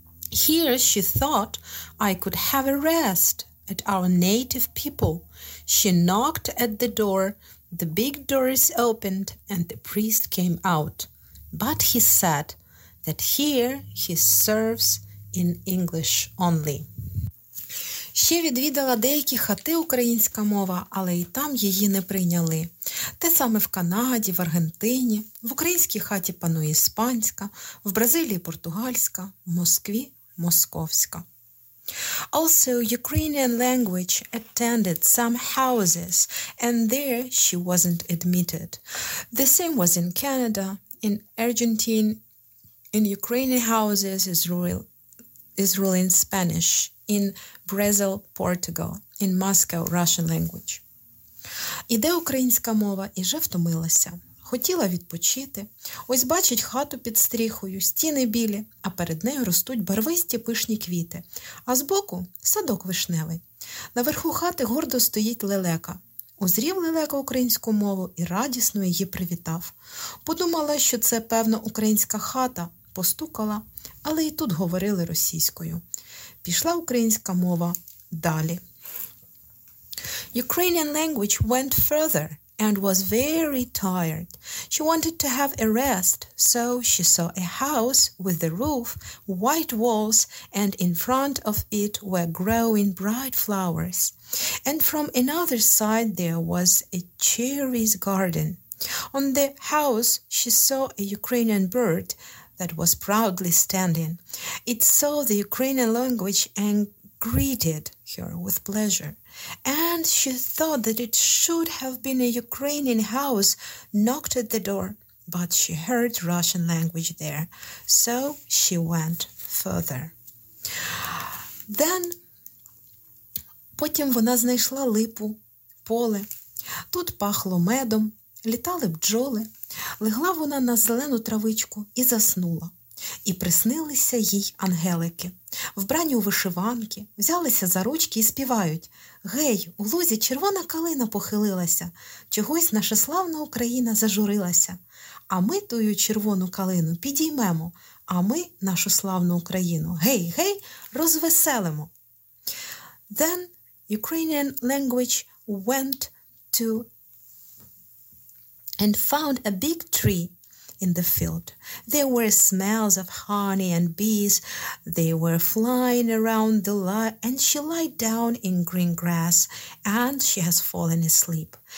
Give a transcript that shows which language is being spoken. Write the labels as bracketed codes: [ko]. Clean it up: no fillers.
[en] Here, she thought, I could have a rest at our native people. She knocked at the door, the big doors opened, and the priest came out. But he said that here he serves in English only. [uk] Ще відвідала деякі хати українська мова, але і там її не прийняли. Те саме в Канаді, в Аргентині, в українській хаті панує іспанська, в Бразилії – португальська, в Москві – московська. [en] Also, Ukrainian language attended some houses, and there she wasn't admitted. The same was in Canada. In Argentine, in Ukrainian houses, Israel in Spanish, in Brazil, Portugal, in Moscow, Russian language. [uk] Іде українська мова і вже втомилася. Хотіла відпочити. Ось бачить хату під стріхою, стіни білі, а перед нею ростуть барвисті пишні квіти, а збоку – садок вишневий. Наверху хати гордо стоїть лелека. Узрів лелека українську мову і радісно її привітав. Подумала, що це, певно, українська хата, постукала, але і тут говорили російською. Пішла українська мова далі. [en] Ukrainian language went further and was very tired. She wanted to have a rest, so she saw a house with the roof, white walls, and in front of it were growing bright flowers. And from another side there was a cherries garden. On the house she saw a Ukrainian bird that was proudly standing. It saw the Ukrainian language and greeted her with pleasure. And she thought that it should have been a Ukrainian house, knocked at the door, but she heard Russian language there. So she went further. Then, [uk] потім вона знайшла липу, поле. Тут пахло медом, літали бджоли. Легла вона на зелену травичку і заснула. І приснилися їй ангелики. Вбрані у вишиванки, взялися за ручки і співають. Гей, у лузі червона калина похилилася, чогось наша славна Україна зажурилася. А ми тую червону калину підіймемо, а ми нашу славну Україну, гей-гей, розвеселимо. [en] Then Ukrainian language went to and found a big tree in the field. There were smells of honey and bees. They were flying around the lot, and she lied down in green grass, and she has fallen asleep.